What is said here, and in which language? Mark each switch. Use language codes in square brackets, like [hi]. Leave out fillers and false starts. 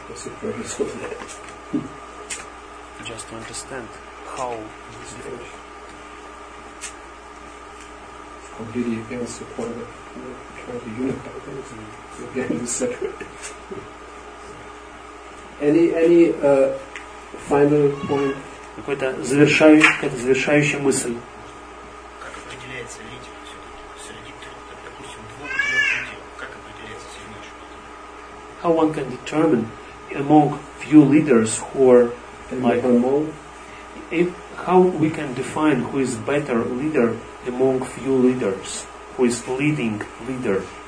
[en] What's the purpose of that? Just to understand how this is. Completely against the point of, you know, trying to unify things and getting them separate. Any final point? [ru] какой-то завершающий, какая-то завершающая мысль. Как определяется лить среди, допустим, двух-трех людей? Как определяется сильнейший потенциал? [en] How one can determine among few leaders who are like among? If how we can define who is better leader among few leaders, who is leading leader?